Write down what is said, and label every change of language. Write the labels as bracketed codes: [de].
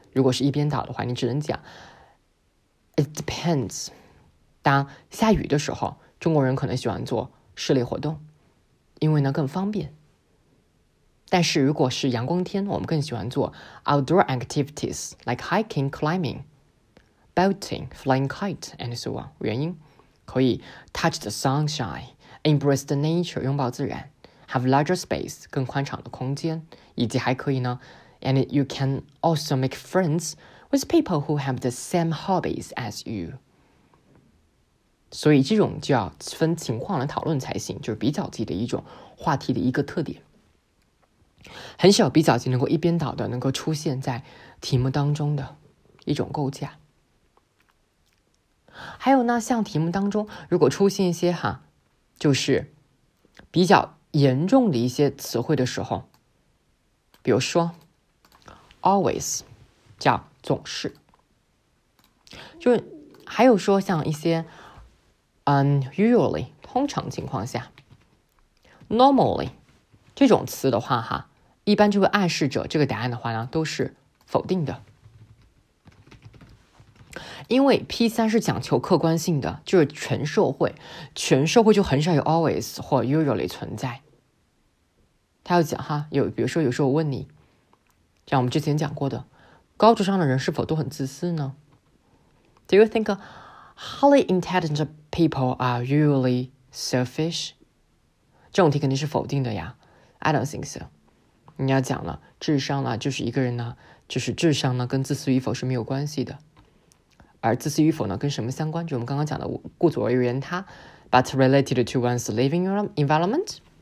[zh] 如果是一边倒的话，你只能讲 [en] It depends, [zh] 当下雨的时候中国人可能喜欢做室内活动，因为呢更方便，但是如果是阳光天，我们更喜欢做 [en] outdoor activities like hiking, climbing, boating, flying kite, and so on. [zh] 原因可以 [en] touch the sunshine, embrace the nature, [zh] 拥抱自然， [en] have larger space, [zh] 更宽敞的空间，以及还可以呢 [en] and you can also make friends with people who have the same hobbies as you. [zh] 所以这种就要分情况来讨论才行，就是比较级的一种话题的一个特点。很少比较级能够一边倒的能够出现在题目当中的一种构架。还有呢，像题目当中如果出现一些哈，就是比较严重的一些词汇的时候，比如说 always 叫总是，就还有说像一些 unusually 通常情况下 normally 这种词的话哈，一般就会暗示着这个答案的话呢都是否定的，因为 P3 是讲求客观性的，就是全社会，全社会就很少有 always 或 usually 存在。他要讲哈，有比如说有时候我问你，像我们之前讲过的，高智商的人是否都很自私呢？ [en] Do you think highly intelligent people are usually selfish? [zh] 这种题肯定是否定的呀。 [en] I don't think so. [zh] 你要讲了智商呢，就是一个人呢，就是智商呢跟自私与否是没有关系的，而自私与否呢跟什么相关，就我们刚刚讲的顾左右而言他 [en] but related to one's living environment.